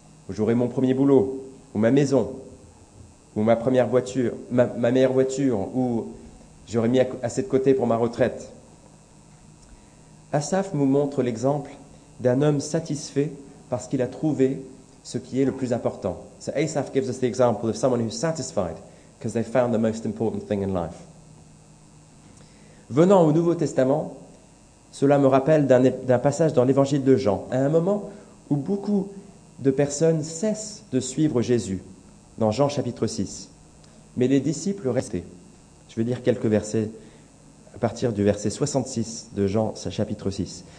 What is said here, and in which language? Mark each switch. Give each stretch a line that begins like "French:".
French: j'aurai mon premier boulot, ou ma maison, ou ma première voiture, ma meilleure voiture, ou j'aurai mis assez de côté pour ma retraite. Asaph nous montre l'exemple d'un homme satisfait parce qu'il a trouvé ce qui est le plus important.
English: So Asaph gives us the example of someone who's satisfied because they found the most important thing in life.
French: Venant au Nouveau Testament, cela me rappelle d'un passage dans l'Évangile de Jean, à un moment où beaucoup de personnes cessent de suivre Jésus, dans Jean chapitre 6. Mais les disciples restaient. Je vais lire quelques versets à partir du verset 66 de Jean chapitre 6.